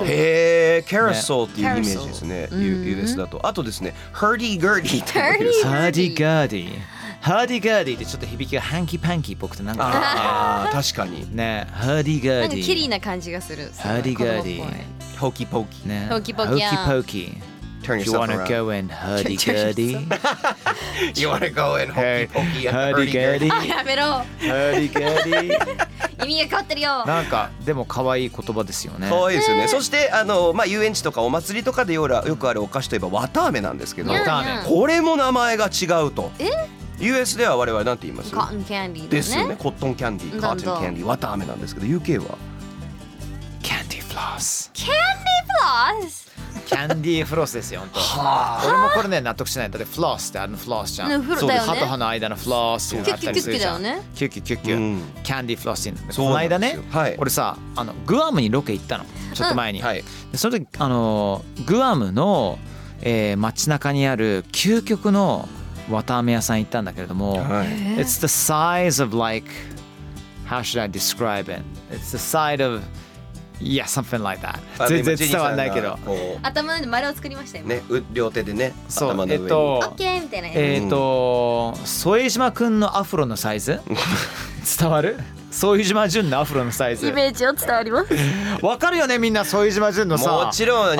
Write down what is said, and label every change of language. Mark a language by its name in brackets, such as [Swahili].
[Japanese] と、へー、キャラソルっていうイメージですね、 [English] US [Japanese] だと、あとですね、ハーディーガーディーって、ハーディーガーディー、ハーディガーディってちょっと響きがハンキパンキっぽくてなんか、ああ確かにね、ハーディガーディ、なんか綺麗な感じがする、ハーディガーディ、ホーキポーキ、ね、ホーキポーキ、ホーキポーキ、 [English] Turn yourself around. You wanna go and hurdy gurdy? You wanna go and hokey pokey and hurdy gurdy? [Japanese] やめろ。 [English] Hurdy gurdy。 [Japanese] 意味が変わってるよ。なんかでも可愛い言葉ですよね。可愛いですよね。そしてあのまあ遊園地とかお祭りとかでよくあるお菓子といえば綿飴なんですけど、綿飴。これも名前が違うと。え？ US では我々なんて言います？コットンキャンディーですよね。コットンキャンディー、コットンキャンディー、綿飴なんですけど、 [English] UK [Japanese] は？キャンディーフロス。キャンディーフロス。キャンディーフロスですよ、本当。はあ、俺もこれね納得しない。だってフロスってあのフロスじゃん。そうだよね。歯と歯の間のフロスってあったりするじゃん。キュッキュッキュッキュッ。キャンディーフロスって。そうなんですよ。この間ね、俺さ、あのグアムにロケ行ったの。ちょっと前に。はい、でその時あのグアムの、街中にある究極の綿飴屋さん行ったんだけれども、はい、 [English] It's the size of like how should I describe it? It's the size of Yeah, something like that. [Japanese] 全然伝わんないけど。頭の上で丸を作りましたよ。ね、両手でね、頭の上に。 [English] OK [Japanese] みたいな。ソエジマくんのアフロのサイズ伝わる？ソエジマジュンのアフロのサイズ。イメージを伝わります。わかるよね、みんなソエジマジュンのさ。もちろん